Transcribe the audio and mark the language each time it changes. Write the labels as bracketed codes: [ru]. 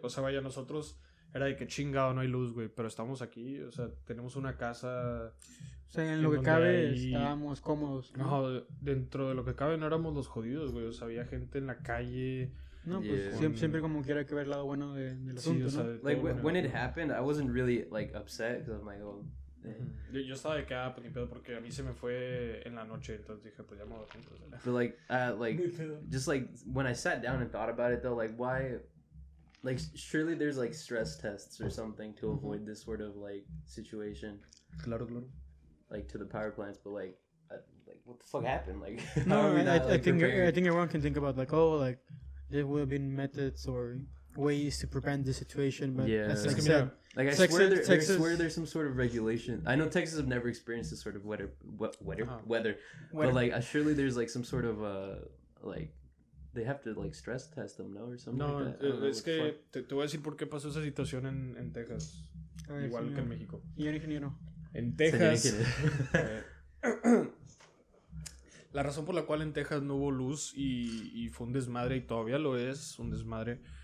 [es] O sea, vaya, nosotros... Era de que chingado, no hay luz, güey. Pero estamos aquí, o sea, tenemos una casa... O sea, en lo que cabe estábamos cómodos. ¿No? No, dentro de lo que cabe no éramos los jodidos, güey. O sea, había gente en la calle. No, pues siempre como quiera que ver el lado bueno del asunto, sí, o sea, ¿no? [en] Like, [es] bueno. [en] When it happened, I wasn't really, like, upset. Because I'm like, oh... Uh-huh. [es] Yo estaba de que, pues, ni pedo, porque a mí se me fue en la noche. Entonces dije, pues, ya me voy a tiempo. [en] But, like, just, like, when I sat down and thought about it, though, like, why... Like, surely there's, like, stress tests or something to avoid this sort of, like, situation. [es] Claro, claro. [en] Like, to the power plants, but, like, what the fuck happened? Like, no, I think everyone can think about, like, oh, like, there would have been methods or ways to prevent the situation, but... Yeah. That's like, said, like, I Texas, swear there, Texas. I swear there's some sort of regulation. I know Texas have never experienced this sort of weather. But, like, surely there's, like, some sort of, like... They have to, like, stress test them, ¿no? Or something. No, like that. [es] Es que te voy a decir por qué pasó esa situación en Texas. Ay, igual señor. Que en México. ¿Y el ingeniero? En Texas. la razón por la cual en Texas no hubo luz y fue un desmadre y todavía lo es, un desmadre,